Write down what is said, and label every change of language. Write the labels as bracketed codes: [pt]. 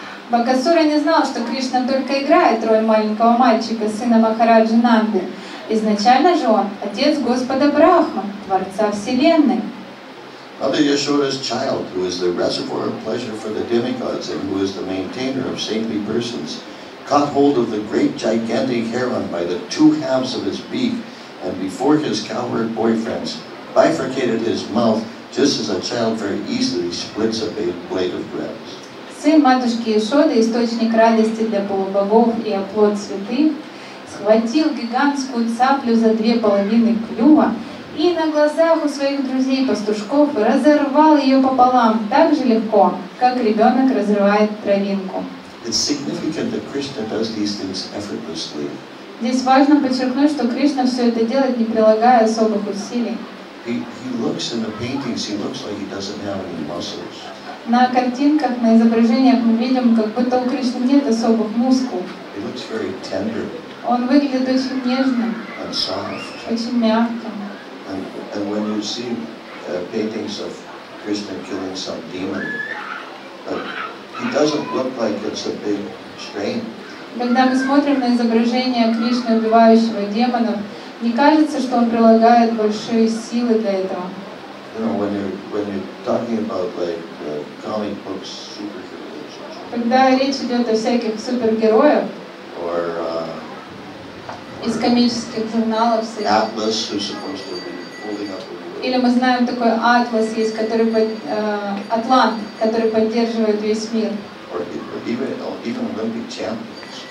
[ru] Bakasura не знал, что Кришна только играет роль маленького мальчика, сына Махараджи Нанды. Изначально же он отец Господа Брахма, Творца Вселенной. [en] Mother Yashoda's child, who is the reservoir of pleasure for the demigods and who is the maintainer of saintly persons, caught hold of the great gigantic heron by the two halves of his beak and before his cowherd boyfriends bifurcated his mouth just as a child very easily splits a blade of grass. [ru] Сын матушки Ешоды, источник радости для полубогов и оплот святых, схватил гигантскую цаплю за две половины клюва и на глазах у своих друзей-пастушков разорвал ее пополам так же легко, как ребенок разрывает травинку. [en] It's significant that Krishna does these things effortlessly. [ru] Здесь важно подчеркнуть, что Кришна все это делает, не прилагая особых усилий. [en] He looks in the paintings, he looks like he doesn't have any muscles. [ru] На картинках, на изображениях мы видим, как будто у Кришны нет особых мускул. [en] He looks very tender. [ru] Он выглядит очень нежным. [en] And soft. [ru] Очень мягким. [en] And when you see paintings of Krishna killing some demon, he doesn't look like it's a big strain. [ru] Когда мы смотрим на изображение Кришны, убивающего демонов, не кажется, что он прилагает большие силы для этого. [en] You know, when you're talking about like comic books, superheroes. [ru] Когда речь идет о всяких супергероях. [en] Or. [ru] Из комических журналов. [en] Atlas, who's supposed to be holding up. [ru] Или мы знаем такой Атлас есть, который Атлант, который поддерживает весь мир. [en] Or even Olympic champions.